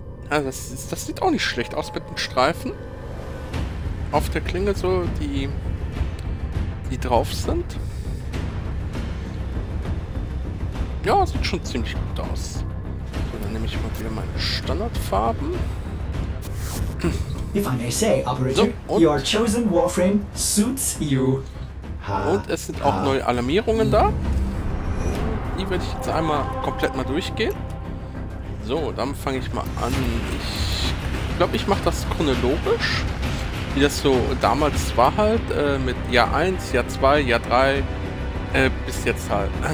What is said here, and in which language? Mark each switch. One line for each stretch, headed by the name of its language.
German: Ja, das sieht auch nicht schlecht aus mit den Streifen. Auf der Klinge so, die drauf sind. Ja, sieht schon ziemlich gut aus. So, dann nehme ich mal wieder meine Standardfarben.
English: If I may say, Operator, so, your chosen Warframe suits you.
German: Und es sind auch neue Alarmierungen da. Die werde ich jetzt einmal komplett mal durchgehen. So, dann fange ich mal an. Ich glaube, ich mache das chronologisch, wie das so damals war halt, mit Jahr 1, Jahr 2, Jahr 3, bis jetzt halt.